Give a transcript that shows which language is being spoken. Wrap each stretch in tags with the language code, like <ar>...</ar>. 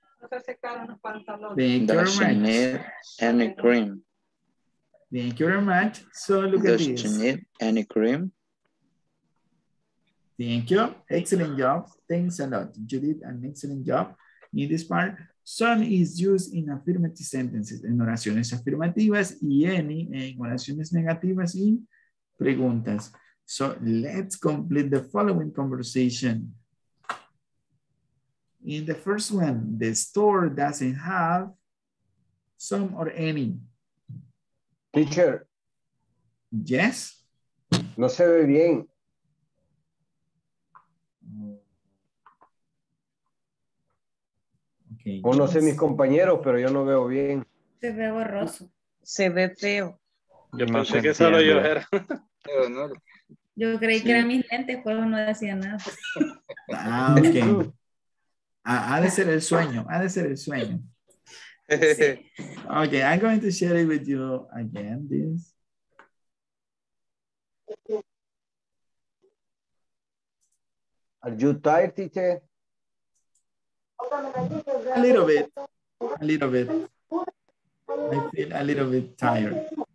<en>Thank you very much. So look Does at this. Does she need any cream? Thank you. Excellent job. Thanks a lot. You did an excellent job in this part. Son is used in affirmative sentences,</en> <es>en oraciones afirmativas, y any en oraciones negativas y preguntas.</es> <en>So let's complete the following conversation. In the first one, the store doesn't have some or any. Teacher. Yes.</en> <es>No se ve bien. Okay. O no sé mis compañeros, pero yo no veo bien. Se ve borroso. Se ve feo. Yo pensé que solo yo era. Yo creí que era mi lente, pero no decía nada. Ah, ok. Ha de ser el sueño, ha de ser el sueño. Sí.</es> <en>Okay, I'm going to share it with you again, this. Are you tired, teacher? A little bit. I feel a little bit tired.</en>